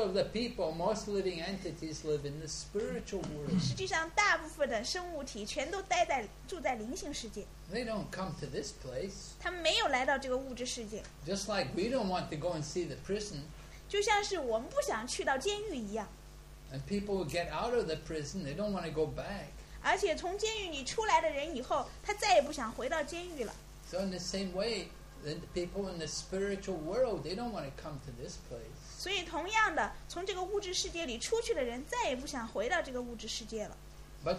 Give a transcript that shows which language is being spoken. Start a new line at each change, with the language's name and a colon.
English: of the people, most living entities live in the spiritual world.
Chinese: 实际上，大部分的生物体全都住在灵性世界。
English: They don't come to this place.
Chinese: 他们没有来到这个物质世界。
English: Just like we don't want to go and see the prison.
Chinese: 就像是我们不想去到监狱一样。
English: And people get out of the prison, they don't want to go back.
Chinese: 而且从监狱里出来的人以后，他再也不想回到监狱了。
English: So in the same way, then the people in the spiritual world, they don't want to come to this place.
Chinese: 所以同样的，从这个物质世界里出去的人，再也不想回到这个物质世界了。
English: But